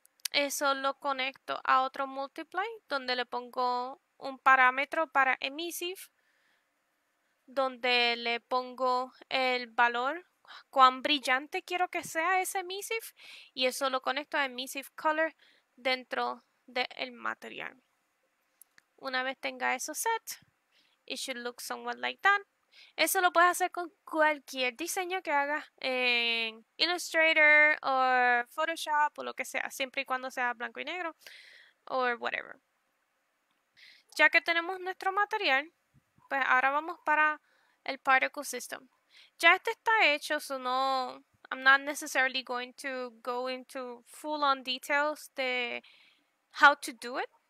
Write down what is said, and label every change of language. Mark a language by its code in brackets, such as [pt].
[es] Eso lo conecto a otro multiply donde le pongo un parámetro para emissive, donde le pongo el valor cuán brillante quiero que sea ese emissive y eso lo conecto a emissive color dentro del material. Una vez tenga eso [en] set, it should look somewhat like that. [es] Eso lo puedes hacer con cualquier diseño que hagas en Illustrator o Photoshop o lo que sea, siempre y cuando sea blanco y negro o whatever. Ya que tenemos nuestro material, pues ahora vamos para el Particle System. Ya este está hecho, [en] so no, I'm not necessarily going to go into full on details de how to do it.